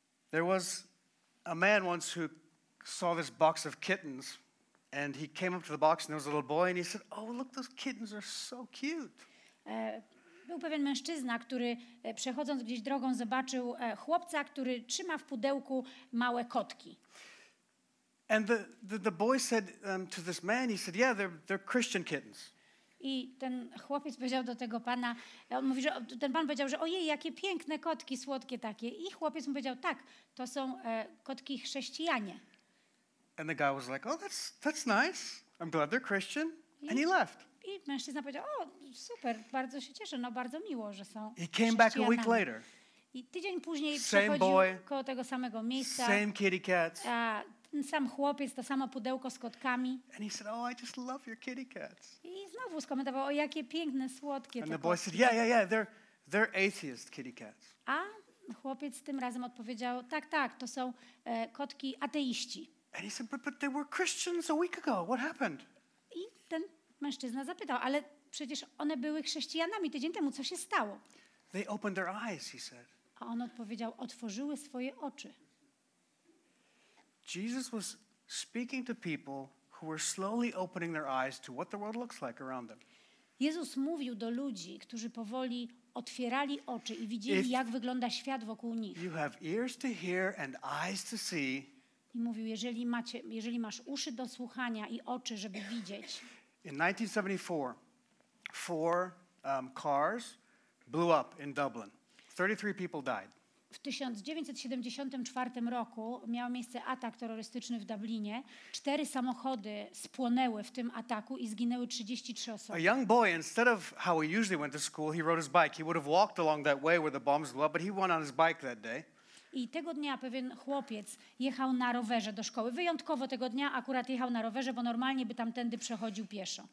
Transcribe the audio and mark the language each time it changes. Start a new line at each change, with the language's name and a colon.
English: There was a man once who saw this box of kittens and he came up to the box and there was a little boy and he said, oh, look, those kittens are so cute.
Polish: Był pewien mężczyzna, który przechodząc gdzieś drogą zobaczył chłopca, który trzyma w pudełku małe kotki.
English: And the boy said to this man, he said, yeah, they're Christian kittens.
Polish: I ten chłopiec powiedział do tego pana, on mówi, że ten pan powiedział, że ojej, jakie piękne kotki, słodkie takie. I chłopiec mu powiedział, tak, to są kotki chrześcijanie.
English: And the guy was like, "Oh, that's nice. I'm glad they're Christian." And he left.
Polish: I mężczyzna powiedział, "O, super, bardzo się cieszę, no bardzo miło, że są."
English: He came back a week later.
Polish: I tydzień później przychodził koło tego samego miejsca.
English: Same kitty cats.
Polish: Ten sam chłopiec, to samo pudełko z kotkami.
English: And he said, "Oh, I just love your kitty cats."
Polish: I znowu skomentował, "O, jakie piękne, słodkie te kotki."
English: And the boy said, "Yeah, they're atheist kitty cats."
Polish: A chłopiec tym razem odpowiedział, "Tak, to są kotki ateiści."
English: And he said, but they were Christians a week ago. What happened?
Polish: I ten mężczyzna zapytał, ale przecież one były chrześcijanami tydzień temu. Co się stało?
English: They opened their eyes, he said.
Polish: A on odpowiedział, otworzyły swoje oczy.
English: Jesus was speaking to people who were slowly opening their eyes to what the world looks like around them.
Polish: Jezus mówił do ludzi, którzy powoli otwierali oczy i widzieli, jak wygląda świat wokół nich.
English: You have ears to hear and eyes to see.
Polish: I mówił, jeżeli masz uszy do słuchania i oczy, żeby widzieć.
English: In 1974, four cars blew up in Dublin. 33 people died.
Polish: W 1974 roku miał miejsce atak terrorystyczny w Dublinie. Cztery samochody spłonęły w tym ataku i zginęły 33 osoby.
English: A young boy, instead of how he usually went to school, he rode his bike. He would have walked along that way where the bombs blew up, but he went on his bike that day.
Polish: I tego dnia pewien chłopiec jechał na rowerze do szkoły. Wyjątkowo tego dnia akurat jechał na rowerze, bo normalnie by tamtędy przechodził pieszo.